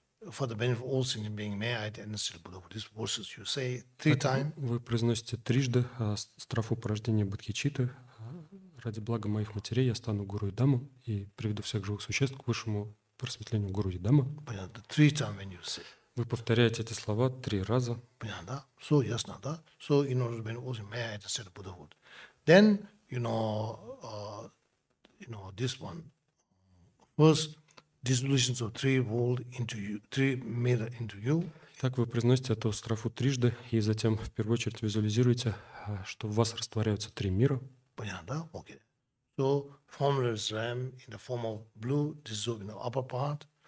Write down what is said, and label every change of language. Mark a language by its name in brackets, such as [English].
[English] For the benefit of all sentient beings, may I understand Buddha with these verses you say three times. [Russian] Вы произносите трижды страфу порождения бодхичитты. Ради блага моих матерей я стану гуру и даму и приведу всех живых существ к высшему просветлению гуру и даму. Понятно. [English] Three times when you say. [Russian] Вы повторяете эти слова три раза. Понятно, да? [English] So [Russian] ясно, да? [English] So in order to benefit all sentient beings, may I understand Buddha with. Then you know this one was. Dissolutions of three world into you, three matter into you. [Russian] Так вы произносите эту страфу трижды, и затем в первую очередь визуализируете, что в вас растворяются три мира. Понятно, да? Okay. [English] So formless realm in the form of blue dissolve in the upper part.